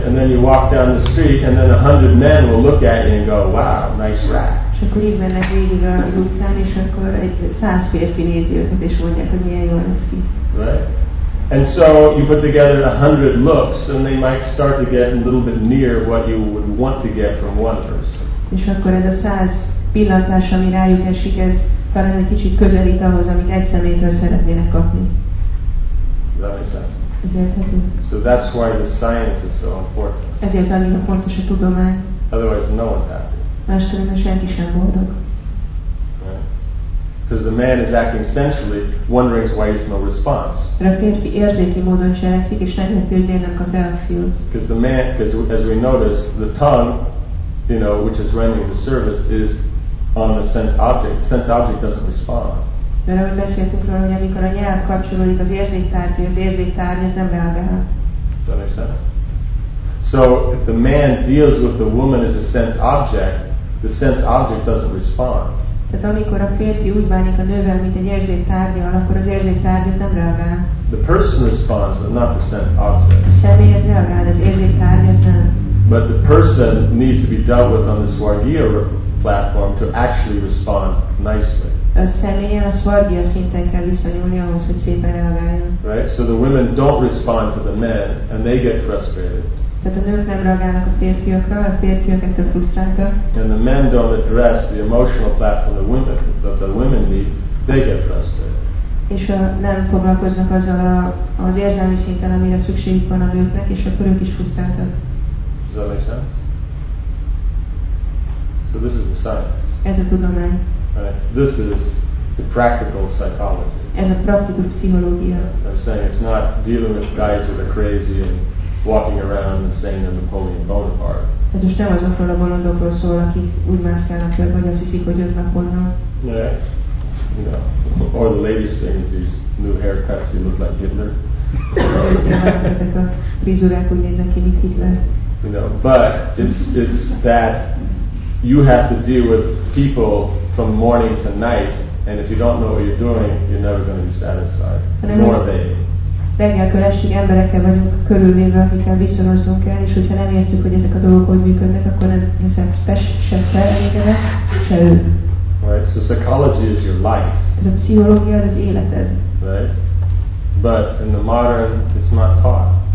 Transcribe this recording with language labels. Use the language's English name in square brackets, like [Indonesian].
[English] And then you walk down the street, and then 100 men will look at you and go, "Wow, nice rack." [Hungarian] És akkor így mennek végig az utcán, és akkor egy 100 férfi nézi őket, és mondják, hogy milyen jól néz ki. [English] Right? And so you put together 100 looks, and they might start to get a little bit near what you would want to get from one person. [Hungarian] És akkor ez a 100 pillantás, ami rájuk esik, ez talán egy kicsit közelít ahhoz, amit egy személytől szeretnének kapni. Ezért hát. [English] So that's why the science is so important. [Hungarian] Ezért annyira fontos a tudomány. [English] Otherwise no one's happy. [Hungarian] Máskülönben senki sem boldog. [English] Because the man is acting sensually, wondering why there's no response. [Hungarian] De a férfi érzéki módon cselekszik, és nem érti, hogy nem kap reakciót. [English] Because the man, because as we notice, the tongue, you know, which is rendering the service, is on the sense object. Sense object doesn't respond. [Hungarian] Mert ahogy beszéltünk róla, hogy amikor a nyelv kapcsolódik az érzéktárgy, az érzéktárgy, ez nem reagál. [English] So if the man deals with the woman as a sense object, the sense object doesn't respond. [Hungarian] Tehát amikor a férfi úgy bánik a nővel, mint egy érzéktárgyal, akkor az érzéktárgy, ez nem reagál. [English] The person responds, but not the sense object. [Hungarian] A személy ez reagál, az érzéktárgy, ez nem. [English] But the person needs to be dealt with on the Swargiya platform to actually respond nicely. [Hungarian] A személyen a Swargiya szinten kell viszonyulni ahhoz, hogy szépen reagáljon. [English] Right? So the women don't respond to the men, and they get frustrated. [Hungarian] Tehát a nők nem reagálnak a férfiakra, a férfiak ettől frusztráltak. [English] And the men don't address the emotional platform the women, that the women need, they get frustrated. [Hungarian] És nem foglalkoznak azzal az érzelmi szinten, amire szükségük van a nőknek, és akkor ők is frusztráltak. [English] Does that make sense? So this is the science. [Hungarian] Ez a tudomány. [English] Right. This is the practical psychology. [Hungarian] Ez a praktikus pszichológia. [English] I'm saying it's not dealing with guys that are crazy and walking around and saying they're Napoleon Bonaparte. [Hungarian] Ez most nem azokról a bolondokról szól, akik úgy mászkálnak, vagy azt hiszik, hogy ők Napóleon. [English] Yeah. know, or the latest thing is these new haircuts. You look like Hitler. You know, but it's that you have to deal with people from morning to night, and if you don't know what you're doing, you're never going to be satisfied. Nor they. [Hungarian] Reggeltől estig emberekkel vagyunk körülvéve, akikkel viszonyoznunk kell, és hogyha nem értjük, hogy ezek a dolgok hogy működnek, akkor nem hiszem, sem felelégedve, se ő. [English] Right, so psychology is your life. [Hungarian] Ez a pszichológia az életed. [English] Right. But in the modern, it's not taught.